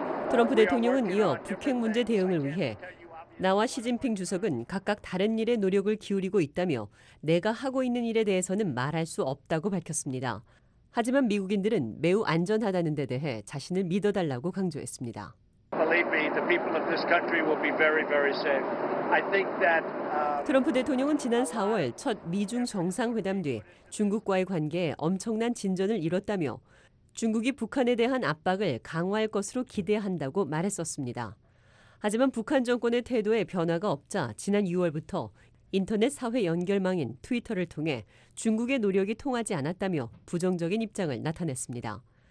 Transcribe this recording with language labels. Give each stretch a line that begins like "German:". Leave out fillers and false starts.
Korean: 트럼프 대통령은 이어 북핵 문제 대응을 위해 나와 시진핑 주석은 각각 다른 일에 노력을 기울이고 있다며 내가 하고 있는 일에 대해서는 말할 수 없다고 밝혔습니다. 하지만 미국인들은 매우 안전하다는 데 대해 자신을 믿어달라고 강조했습니다.
English: Believe me, the people of this country will be very, very safe. I think that
Korean: 트럼프 대통령은 지난 4월 첫 미중 정상회담 뒤 중국과의 관계에 엄청난 진전을 이뤘다며 중국이 북한에 대한 압박을 강화할 것으로 기대한다고 말했었습니다. 하지만 북한 정권의 태도에 변화가 없자 지난 6월부터 인터넷 사회 연결망인 트위터를 통해 중국의 노력이 통하지 않았다며 부정적인 입장을 나타냈습니다.